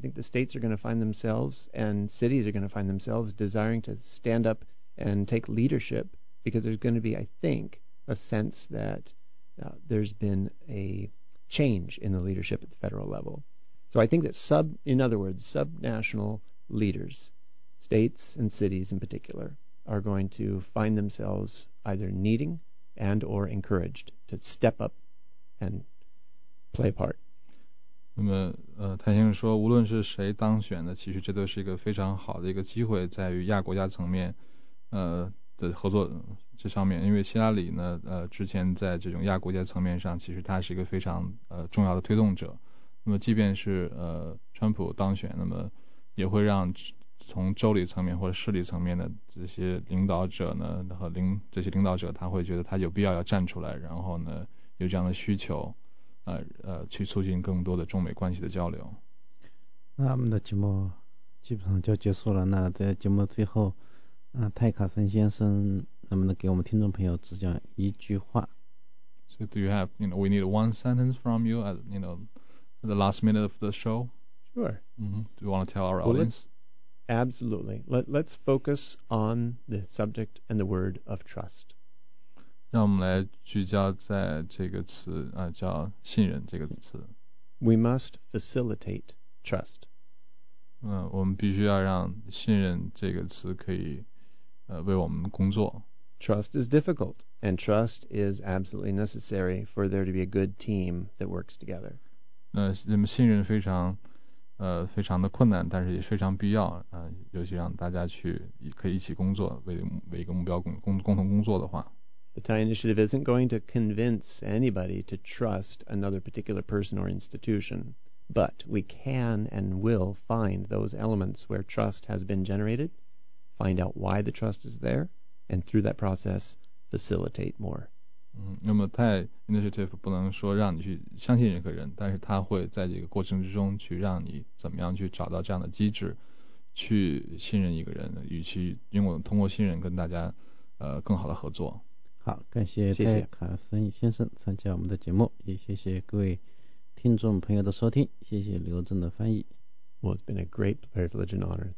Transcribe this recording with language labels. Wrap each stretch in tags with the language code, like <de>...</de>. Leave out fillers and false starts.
<en>I think the states are going to find themselves and cities are going to find themselves desiring to stand up and take leadership, because there's going to be, I think, a sense that there's been a change in the leadership at the federal level. So I think that subnational leaders, states and cities in particular, are going to find themselves either needing and or encouraged to step up and play a part.</en> <zh>那么谭先生说，无论是谁当选的，其实这都是一个非常好的一个机会，在于亚国家层面的合作这上面。因为希拉里呢之前在这种亚国家层面上，其实他是一个非常重要的推动者。那么即便是川普当选，那么也会让从州里层面或者市里层面的这些领导者呢，和这些领导者，他会觉得他有必要要站出来，然后呢有这样的需求去促进更多的中美关系的交流。那我们的节目基本上就结束了，那在节目最后泰卡森先生能不能给我们听众朋友只讲一句话？</zh> <en>So do you have, you know, we need one sentence from you at, you know, the last minute of the show? Sure. Do you want to tell our audience? Absolutely. Let's focus on the subject and the word of trust.</en> <zh>让我们来聚焦在这个词叫信任这个词。</zh> <en>We must facilitate trust.</en> <zh>我们必须要让信任这个词可以为我们工作。</zh> <en>Trust is difficult, and trust is absolutely necessary for there to be a good team that works together.</en> <zh>那么信任非常的困难，但是也非常必要尤其让大家去可以一起工作，为一个目标共同工作的话。</zh> <en>The Thai Initiative isn't going to convince anybody to trust another particular person or institution, But we can and will find those elements where trust has been generated, find out why the trust is there, and through that process, facilitate more.</en> <zh>那么太 initiative 不能说让你去相信任何人，但是他会在这个过程之中去让你怎么样去找到这样的机制，去信任一个人，与其用我通过信任跟大家更好的合作。好，感谢泰卡森先生参加我们的节目，也谢谢各位听众朋友的收听，谢谢刘正的翻译。</zh> <en>Well, it's been a great privilege and honor.</en>